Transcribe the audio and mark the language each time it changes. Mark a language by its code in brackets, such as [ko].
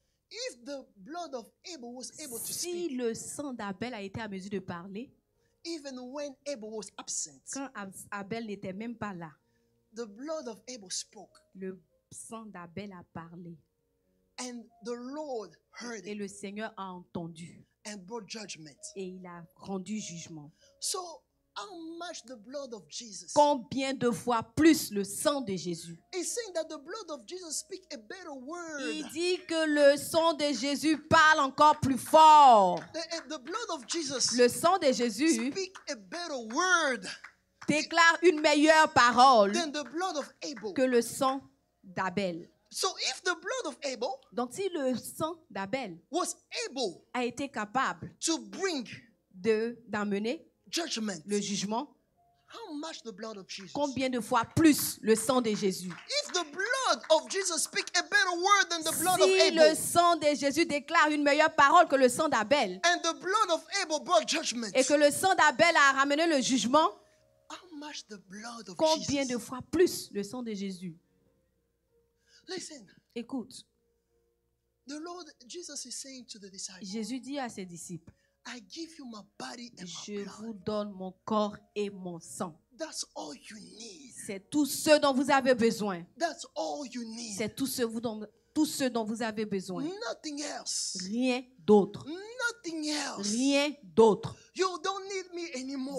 [en] If the blood of Abel was able to speak. [fr] Si le sang d'Abel a été à mesure de parler. [en] Even when Abel was absent. [fr] Quand Abel n'était même pas là. [en] The blood of Abel spoke. [fr] Le sang d'Abel a parlé. [en] And the Lord heard [fr] et le Seigneur a entendu. [en] And brought judgment. [fr] Et il a rendu jugement. [en] So, how much the blood of Jesus? [fr] Combien de fois plus le sang de Jésus? [en] He's saying that the blood of Jesus speak a better word. [fr] Il dit que le sang de Jésus parle encore plus fort. [en] The blood of Jesus. [fr] Le sang de Jésus. [en] Speak a better word. [fr] Déclare une meilleure parole. [en] Than the blood of Abel. [fr] Que le sang d'Abel. [en] So if the blood of Abel, [fr] donc si le sang d'Abel [en] was able, [fr] a été capable [en] to bring [fr] de d'amener [en] judgment, [fr] le jugement, [en] how much the blood of Jesus? [fr] Combien de fois plus le sang de Jésus? [en] If the blood of Jesus speak a better word than the blood [fr] si [en] of Abel, [fr] le sang de Jésus déclare une meilleure parole que le sang d'Abel, [en] and the blood of Abel brought judgment, [fr] et que le sang d'Abel a ramené le jugement, [en] how much the blood of [fr] combien [en] Jesus? [fr] De fois plus le sang de Jésus? [en] Listen. [fr] Écoute. [en] The Lord Jesus is saying to the disciples. [fr] Jésus dit à ses disciples. [en] I give you my body and my blood. [fr] Je vous donne mon corps et mon sang. [en] That's all you need. [fr] C'est tout ce dont vous avez besoin. [en] That's all you need. [fr] C'est tout ce dont vous avez besoin. [en] Nothing else. [fr] Rien d'autre. [en] Nothing else. [fr] Rien d'autre. [en] You don't need me anymore.